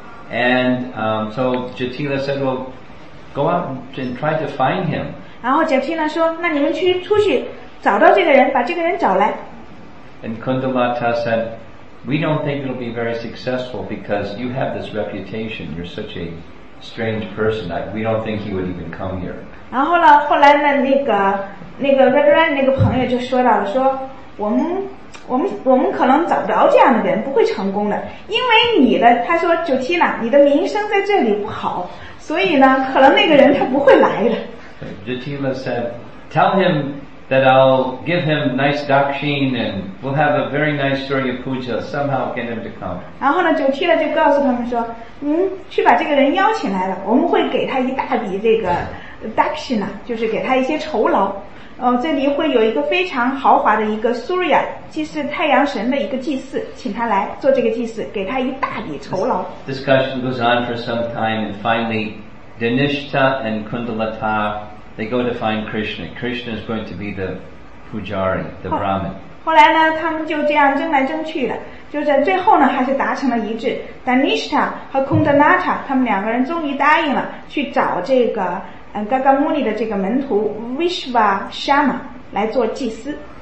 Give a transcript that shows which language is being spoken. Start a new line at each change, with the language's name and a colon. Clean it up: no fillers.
English: and so Jatila said well Go out and try to find him.
Chinese: 然后 Jatila 说那你们去出去找到这个人把这个人找来
English: And Kundalata said We don't think it'll be very successful because you have this reputation you're such a strange person we don't think he would even come here.
Chinese: 然后呢后来呢那个 Radharani 那个朋友就说到了说我们可能找不着这样的人不会成功的因为你的他说 Jatila 你的名声在这里不好所以呢可能那个人他不会来的
English: Jatila said Tell him that I'll give him nice dakshin and we'll have a very nice story of puja somehow get him to come
Chinese: 然后呢 Jatila 就告诉他们说去把这个人邀请来了我们会给他一大笔这个 dakshin 就是给他一些酬劳这里会有一个非常豪华的一个 Surya 祭祀太阳神的一个祭祀请他来做这个祭祀给他一大笔酬劳
English: Discussion goes on for some time and finally Dhanishta and Kundalata they go to find Krishna Krishna is going to be the Pujari the Brahmin
Chinese: 后来呢他们就这样争来争去的就在最后呢还是达成了一致 Dhanishta 和 Kundalata 他们两个人终于答应了去找这个Garga Muni 的这个门徒 Vishva Sharma 来做祭司